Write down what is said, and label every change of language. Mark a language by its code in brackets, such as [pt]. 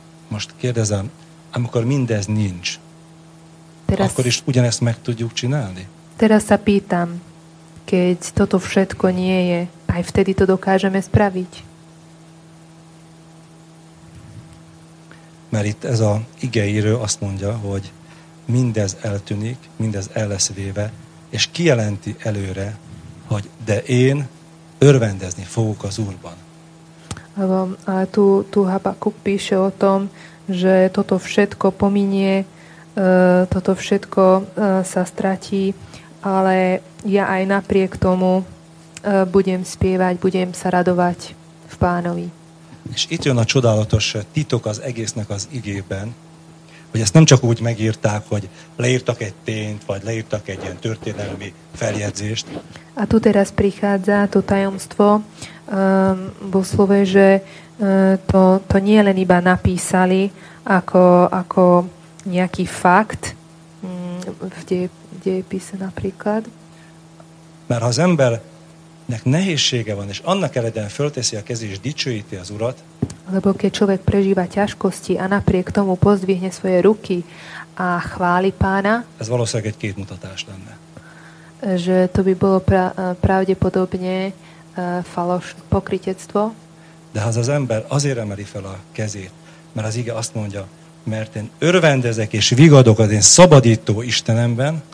[hu] Most kérdezem, amikor mindez nincs, teraz, akkor is ugyanezt meg tudjuk csinálni? [sk] Teraz sa pýtam, keď toto všetko nie je, aj vtedy to dokážeme spraviť. [hu] Mert itt ez a igeíró azt mondja, hogy mindez eltűnik, mindez el lesz véve, és kijelenti előre, hogy de én örvendezni fogok az Úrban. [sk] A tu Habakuk píše o tom, že toto všetko pominie, toto všetko sa stratí, ale ja aj napriek tomu budem spievať, budem sa radovať v Pánovi. [hu] És itt jön a csodálatos titok az egésznek az igében, hogy ezt nem csak úgy megírták, hogy leírtak egy tényt, vagy leírtak egy ilyen történelmi feljegyzést. [sk] A tu teraz prichádza to tajomstvo vo slove, že to nie len iba napísali ako nejaký fakt, kde je písa napríklad. [hu] Mert ha az ember nehézsége van, és annak eleden fölteszi a kezét, és dicsőíti az Urat. [sk] Lebo keď človek prežíva ťažkosti a napriek tomu pozdvihne svoje ruky a chváli Pána, [hu] ez valószínűleg egy képmutatás lenne. [sk] Že to by bolo pravdepodobne falos pokrytectvo. [hu] De az ember azért emeli fel a kezét, mert az ige azt mondja, mert én örvendezek és vigadok az én szabadító Istenemben.